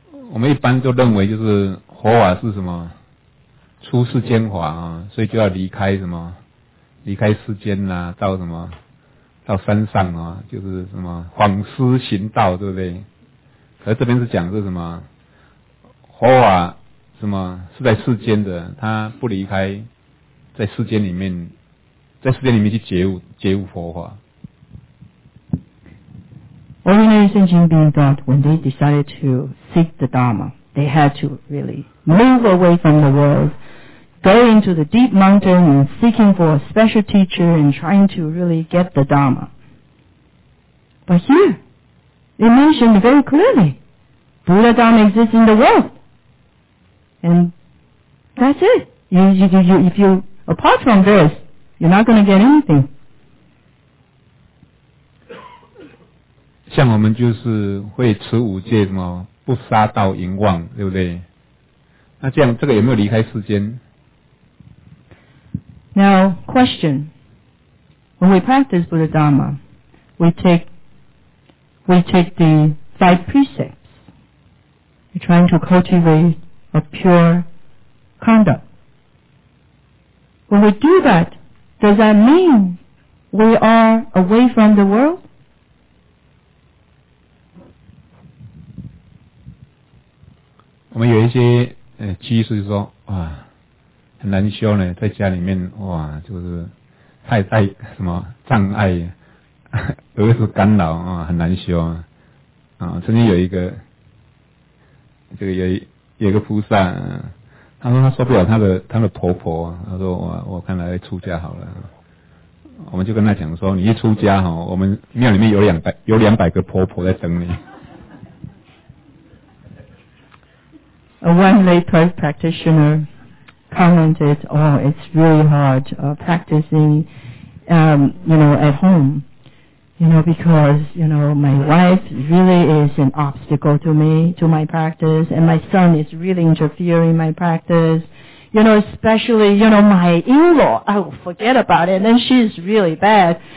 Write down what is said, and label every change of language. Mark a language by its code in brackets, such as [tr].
[zh] 我们一般就认为就是佛法是什么出世间法啊，所以就要离开什么离开世间啊，到什么到山上啊，就是什么恍思行道，对不对？而这边是讲是什么佛法什么是在世间的，他不离开在世间里面，在世间里面去觉悟佛法。 [en] Ordinary sentient beings thought when they decided to seek the Dharma, they had to really move away from the world, go into the deep mountain and seeking for a special teacher and trying to really get the Dharma. But here, it mentioned very clearly, Buddha Dharma exists in the world. And that's it. If you, apart from this, you're not going to get anything. [zh] 像我们就是会持五戒，什么不杀盗淫妄，对不对？那这样这个有没有离开世间？ [en] Now question: when we practice Buddha Dharma, we take the five precepts. We're trying to cultivate a pure conduct. When we do that, does that mean we are away from the world? [zh] 我们有一些居士就说哇很难修呢，在家里面哇就是太太什么障碍儿子干扰啊，很难修啊。曾经有一个这个有一个菩萨，他说他受不了他的婆婆，他说我看来出家好了。我们就跟他讲说，你一出家齁，我们庙里面有两百个婆婆在等你。 [en] A one lay practitioner commented, oh, it's really hard practicing, at home, because, my wife really is an obstacle to me, to my practice, and my son is really interfering my practice, especially, my in-law, oh, forget about it, and then she's really bad.